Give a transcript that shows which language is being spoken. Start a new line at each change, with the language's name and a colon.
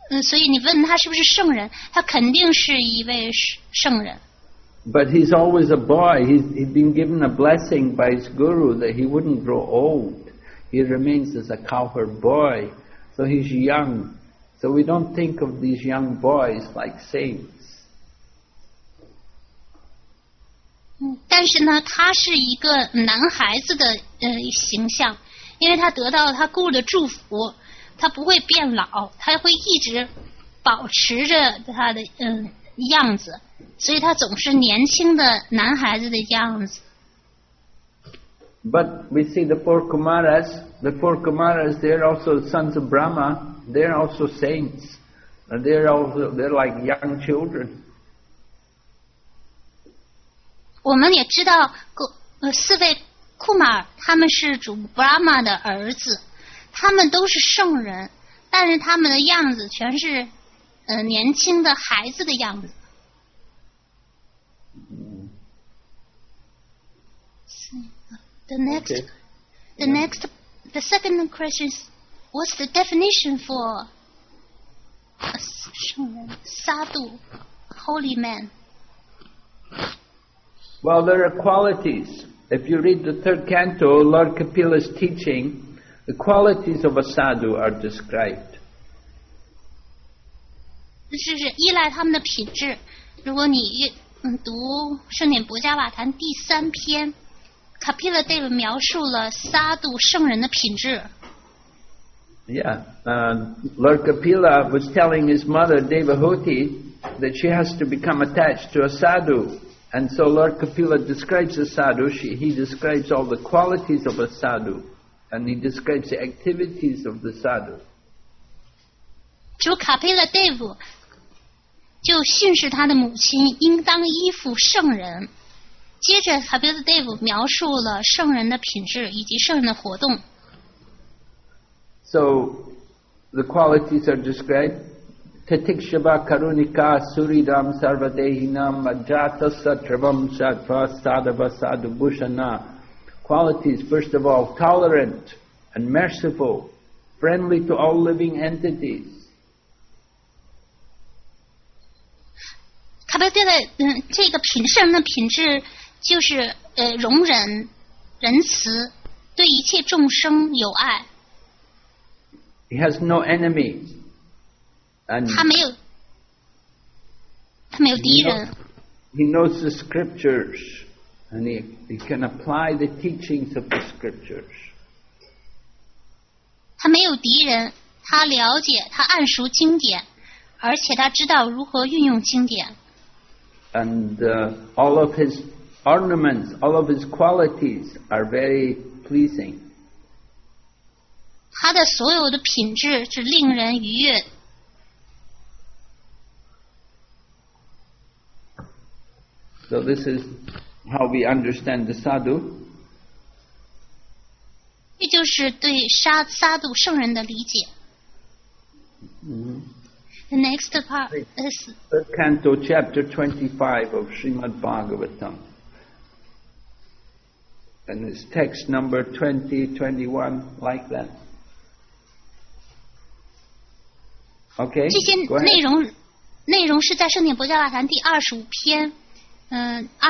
Chinese: 所以你问他是不是圣人，他肯定是一位圣人。
English: But he's always a boy. He's been given a blessing by his guru that he wouldn't grow old. He remains as a cowherd boy, so he's young. So we don't think of these young boys like saints.
Chinese: 但是呢，他是一个男孩子的形象，因为他得到了他guru的祝福。他不会变老，他会一直保持着他的样子，所以他总是年轻的男孩子的样子。
English: But we see the four Kumaras, they're also sons of Brahma, they're also saints, and they're like young children.
Chinese: 我们也知道四位库玛，他们是主 Brahma 的儿子。他们都是圣人，但是他们的样子全是年轻的孩子的样子。
English: The second question is, what's the definition for 圣人 sadhu, holy man? Well, there are qualities. If you read the third canto, Lord Kapila's teaching,The qualities of a sadhu are described.
Chinese: 是是依赖他们的品质。如果你读圣典博伽瓦坛第三篇，卡皮拉戴维描述了sadhu圣人的品质。
English: Yeah, Lord Kapila was telling his mother Devahuti that she has to become attached to a sadhu, and so Lord Kapila describes a sadhu. He describes all the qualities of a sadhu. And he describes the activities of the sadhu.
Chinese: 主卡佩拉戴夫就训示他的母亲应当依附圣人。接着卡佩拉戴夫描述了圣人的品质以及圣人的活动。
English: So the qualities are described:
Sanskrit: Tatikshava Karunika Suridam Sarvadehinam Majatasa Travam Sadva Sadhava Sadhu Bhushana.
English: Qualities, first of all, tolerant and merciful, friendly to all living entities.
Chinese: 卡佩戴的这个品圣的品质就是容忍、仁慈，对一切众生有爱。
English: He has no enemies. And
Chinese: 他没有敌人。
English: He knows the scriptures. And he can apply the teachings of the scriptures.
Chinese: 他没有敌人，他了解，他暗熟经典，而且他知道如何运用经典。
English: And all of his ornaments, all of his qualities are very pleasing.
Chinese: 他的所有的品质是令人愉悦。
English: So this is. How we understand the sadhu.
Chinese: 这就是对sadhu圣人的理解。
English: The next part is third canto, chapter 25 of Srimad Bhagavatam, and it's text number 20-21, like that. Okay.
Chinese: 这些内容是在圣典博伽瓦坛第二十五篇。